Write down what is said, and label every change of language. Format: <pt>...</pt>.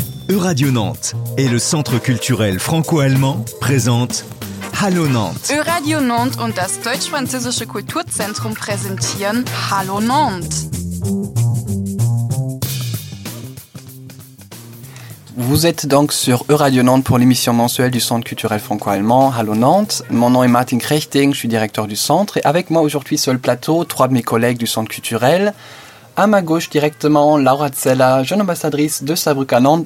<fr>Euradio Nantes et le Centre culturel franco-allemand présentent Hallo Nantes.</fr> <de>Euradio Nantes und das deutsch-französische Kulturzentrum präsentieren Hallo Nantes.</de> <fr>Vous êtes donc sur Euradio Nantes pour l'émission mensuelle du Centre culturel franco-allemand Hallo Nantes. Mon nom est Martin Krechting, je suis directeur du centre et avec moi aujourd'hui sur le plateau, trois de mes collègues du Centre culturel. À ma gauche directement, Laura Zella, jeune ambassadrice de Saarbrück à Nantes.</fr>